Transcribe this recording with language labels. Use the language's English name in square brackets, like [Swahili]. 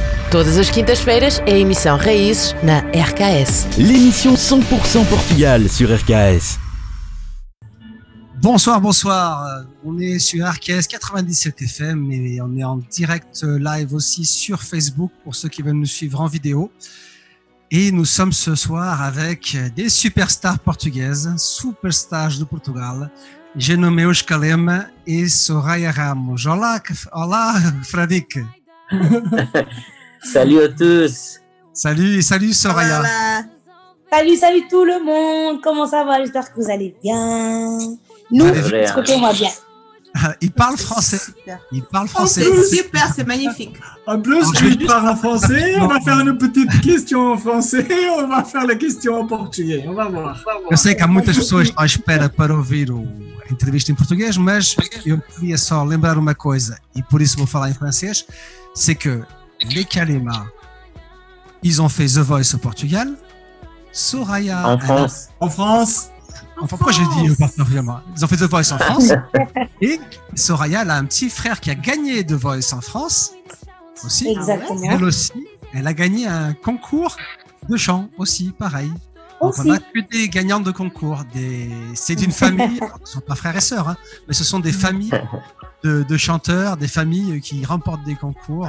[Portuguese] Todas as quintas-feiras é a emissão Raízes na RKS. [French] L'émission 100% Portugal sur RKS. Bonsoir, bonsoir. On est sur RKS 97FM et on est en direct live aussi sur Facebook pour ceux qui veulent nous suivre en vidéo. Et nous sommes ce soir avec des superstars portugaises, superstars de Portugal. J'ai nommé Oshkalem et Soraya Ramos. [Portuguese] Olá, olá, Fradik. [French] Salut à tous. Salut, salut Soraya. Voilà. Salut, salut tout le monde. Comment ça va? J'espère que vous allez bien. Nous, écoutez-moi bien. Il parle français. Il parle français. Oh, super, c'est magnifique. En plus, je parle en français. On va faire une petite question en français. On va faire la question en portugais. On va voir. [Portuguese] Eu sei que há muitas pessoas à espera para ouvir a entrevista em português, mas eu queria só lembrar uma coisa, e por isso vou falar em francês, [French] c'est que les Kalema, ils ont fait The Voice au Portugal. Soraya... En France. En France. Enfin, pourquoi j'ai dit particulièrement? Ils ont fait The Voice en France. Et Soraya, elle a un petit frère qui a gagné The Voice en France aussi. Exactement. Elle aussi, elle a gagné un concours de chant aussi, pareil. Aussi. On a que des gagnants de concours. C'est une famille, ce ne sont pas frères et sœurs, hein, mais ce sont des familles de chanteurs, des familles qui remportent des concours.